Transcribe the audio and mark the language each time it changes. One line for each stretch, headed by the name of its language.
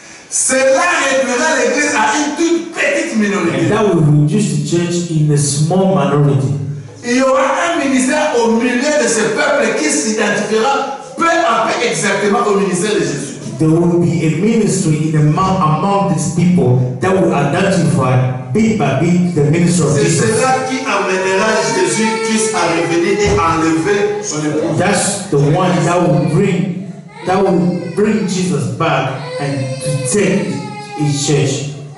French: Cela réduira l'église à une toute petite minorité.
English: And that will reduce the church in a small minority.
French: Il y aura un ministère au milieu de ce peuple qui s'identifiera peu à peu exactement au ministère de Jésus.
English: There will be a ministry in among these people that will identify bit by bit the ministry of Jesus.
French: C'est cela qui amènera Jésus Christ à revenir et à enlever son épouse.
English: That's the one that will bring Jesus back and to take his church.